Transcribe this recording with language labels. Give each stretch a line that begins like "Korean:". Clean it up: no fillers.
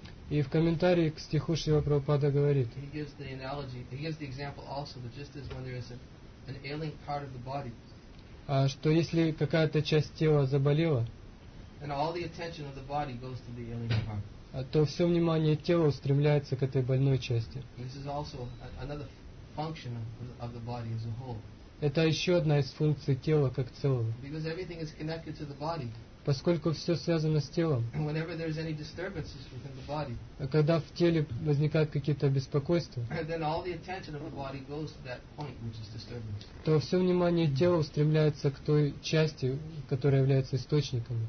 Russian: И в комментарии к стиху Шрила Прабхупада говорит, что если какая-то часть тела заболела,
English: and all the attention of the body goes to the ailing part.
Russian: То все внимание тела устремляется к этой больной части.
English: This is also another function of the body as a whole.
Russian: Это еще одна из функций тела как целого.
English: Because everything is connected to the body.
Russian: Поскольку все связано с телом.
English: Whenever there is any disturbances within the body.
Russian: Когда в теле возникают какие-то беспокойства.
English: Then all the attention of the body goes to that point which is disturbing.
Russian: То все внимание тела устремляется к той части, которая является источником.